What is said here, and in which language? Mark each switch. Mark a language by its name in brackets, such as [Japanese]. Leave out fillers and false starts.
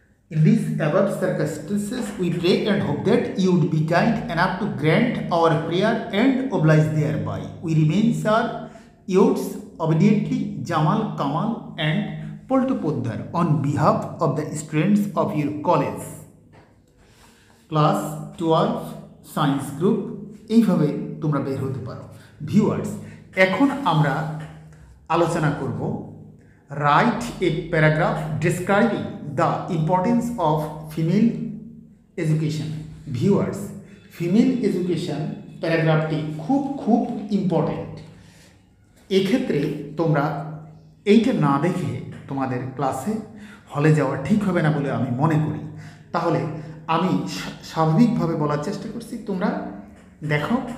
[English] In these above circumstances, we pray and hope that you would be kind enough to grant our prayer and oblige thereby. We remain, sir, yours obediently, Jamal, Kamal and Poltu Poddar, on behalf of the students of your college. Class 12 Science Group, [Bangla] এইভাবে তোমরা বের হতে পারো। Viewers, এখন আমরা আলোচনা করব। [English] Write a paragraph describing the importance of female education. Viewers, female education paragraphটি [Bangla] খুব খুব [English] important। [Bangla] এক্ষেত্রে তোমরা এইটা না দেখে তোমাদের ক্লাসে হলে যাওয়া ঠিক হবে না বলে আমি মনে করি। তাহলে আমি স্বাভাবিকভাবে বলার চেষ্টা করছি, তোমরা দেখো।